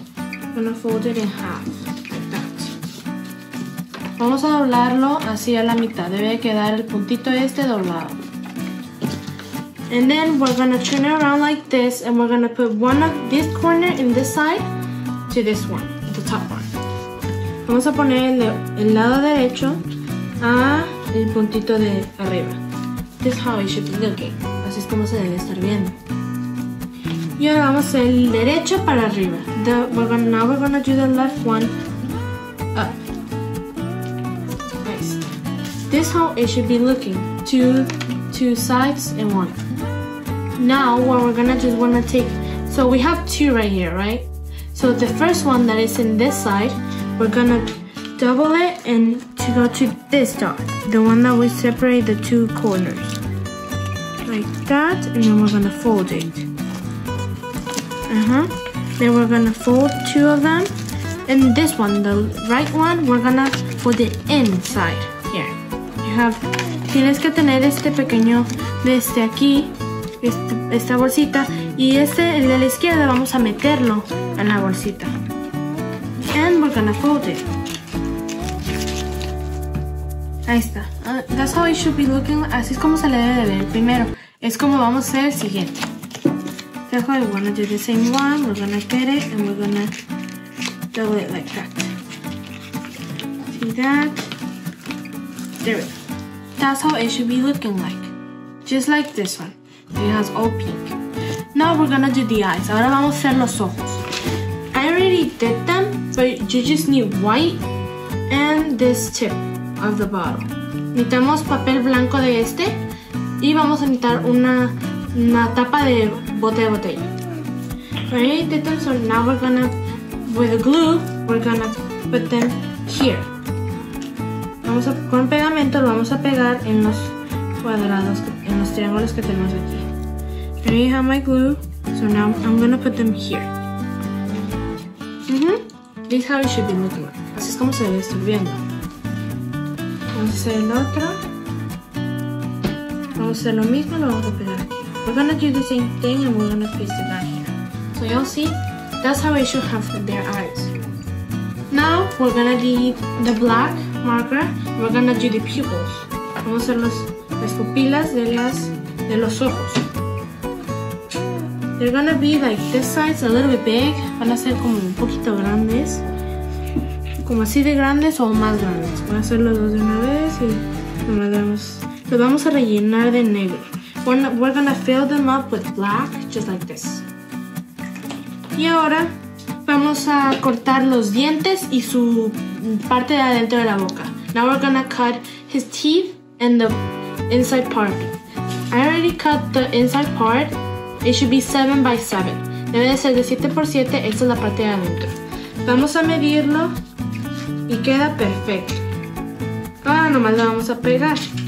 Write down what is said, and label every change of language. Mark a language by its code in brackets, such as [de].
[en] I'm gonna fold it in half, like that. [es] Vamos a doblarlo así a la mitad. Debe quedar el puntito este doblado. [en] And then we're gonna turn it around like this, and we're gonna put one of this corner in this side to this one, the top one. [es] Vamos a poner el lado derecho a el puntito de arriba. [en] This is how it should be looking. [es] Así es como se debe estar viendo. Y ahora vamos el derecho para arriba. [en] Now we're gonna do the left one up. Nice. This is how it should be looking. Two sides and one. Now what we're gonna do is wanna take, so we have two right here, right? So the first one that is in this side, we're gonna double it and to go to this dot, the one that we separate the two corners. Like that, and then we're gonna fold it. Uh-huh. Then we're gonna fold two of them. And this one, the right one, we're gonna fold it inside here. [es] Tienes que tener este pequeño desde aquí. Esta bolsita y este el de la izquierda vamos a meterlo en la bolsita. [en] And we're gonna fold it. [es] Ahí está. [en] That's how it should be looking. [es] Así es como se le debe de ver primero. Es como vamos a hacer el siguiente. Dejo el [en] one of the same one. We're gonna get it and we're gonna double it like that. See that? There it is. That's how it should be looking like. Just like this one. It has all pink. Now we're gonna do the eyes. [es] Ahora vamos a hacer los ojos. [en] I already did them, but you just need white and this tip of the bottle. [es] Necesitamos papel blanco de este y vamos a necesitar una tapa de bote de botella. [en] Alright, did them, so now we're gonna, with the glue, we're gonna put them here. [es] Con pegamento lo vamos a pegar en los cuadrados, en los triángulos que tenemos aquí. [en] And you have my glue, so now I'm gonna put them here. Mm-hmm. This is how it should be looking like. [es] Así es como se ve estar viendo. Vamos a hacer el otro. Vamos a hacer lo mismo, lo vamos a pegar aquí. [en] We're gonna do the same thing and we're gonna paste it back here. So you'll see, that's how it should have their eyes. Now we're gonna need the black marker. We're gonna do the pupils. [es] Vamos a hacer las pupilas de los ojos. [en] They're gonna be like this size, a little bit big. [es] Van a ser como un poquito grandes. Como así de grandes o más grandes. Voy a hacer los dos de una vez y los vamos a rellenar de negro. [en] We're gonna fill them up with black, just like this. [es] Y ahora vamos a cortar los dientes y su parte de adentro de la boca. [en] Now we're gonna cut his teeth and the inside part. I already cut the inside part. It should be 7 by 7. [es] Debe de ser de 7 por 7. Esta es la parte de adentro. Vamos a medirlo. Y queda perfecto. Ahora nomás lo vamos a pegar.